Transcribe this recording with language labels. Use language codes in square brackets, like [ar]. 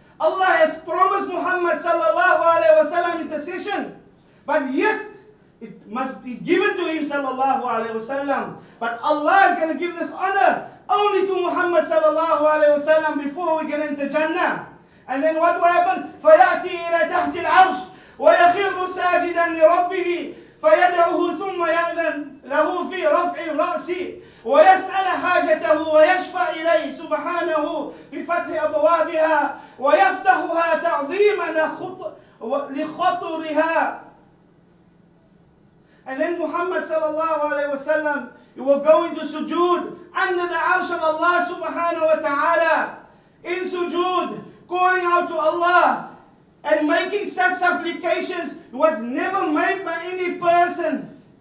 [en] Allah has promised Muhammad sallallahu alayhi wa sallam intercession, but yet it must be given to him sallallahu alayhi wa sallam. But Allah is going to give this honor only to Muhammad sallallahu alayhi wa sallam before we get into Jannah. And then what will happen? [ar] فَيَأْتِي إِلَى تَحْتِ الْعَرْشِ وَيَخِرُّ سَاجِدًا لِرَبِّهِ فَيَدْعُهُ ثُمَّ يَأْذَنْ لَهُ فِي رَفْعِ الرَّأْسِ ويسأل حاجته ويشفع إليه سبحانه في فتح أبوابها ويفتحها تعظيما لخطرها. [en] And then Muhammad sallallahu alayhi wa sallam will go into sujood under the arsh of Allah subhanahu wa ta'ala, in sujood, calling out to Allah and making such supplications was never made by any person.